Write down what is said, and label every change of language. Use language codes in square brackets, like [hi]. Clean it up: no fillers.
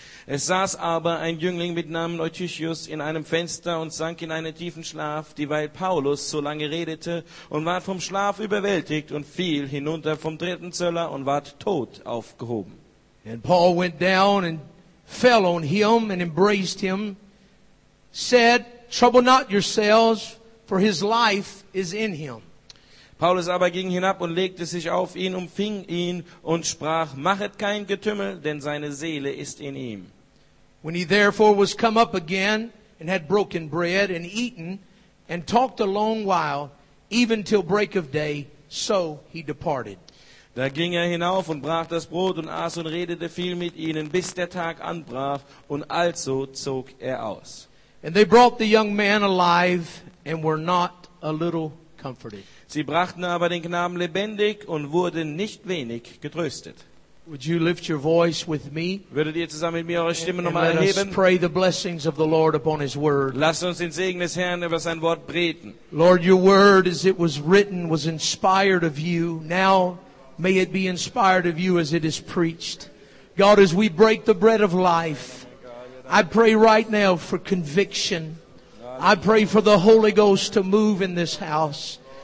[de] "Es saß aber ein Jüngling mit Namen Eutychus in einem Fenster und sank in einen tiefen Schlaf, dieweil Paulus so lange redete, und ward vom Schlaf überwältigt und fiel hinunter vom dritten Zöller und ward tot aufgehoben." [en] "And Paul went down and fell on him and embraced him, said, 'Trouble not yourselves, for his life is in him.'" [de] Paulus aber ging hinab und legte sich auf ihn, umfing ihn und sprach, "Machet kein Getümmel, denn seine Seele ist in ihm." [en] "When he therefore was come up again and had broken bread and eaten and talked a long while, even till break of day, so he departed." [de] Da ging er hinauf und brach das Brot und aß und redete viel mit ihnen, bis der Tag anbrach, und also zog er aus. [en] "And they brought the young man alive and were not a little comforted." [de] Sie brachten aber den Knaben lebendig und wurden nicht wenig getröstet. [en] Would you lift your voice with me? [de] Würdet ihr zusammen mit mir eure Stimme nochmal erheben? [en] And let us pray the blessings of the Lord upon His Word. [de] Lasst uns den Segen des Herrn über sein Wort beten. [en] Lord, your Word, as it was written, was inspired of you. Now may it be inspired of you as it is preached. God, as we break the bread of life, I pray right now for conviction. I pray for the Holy Ghost to move in this house.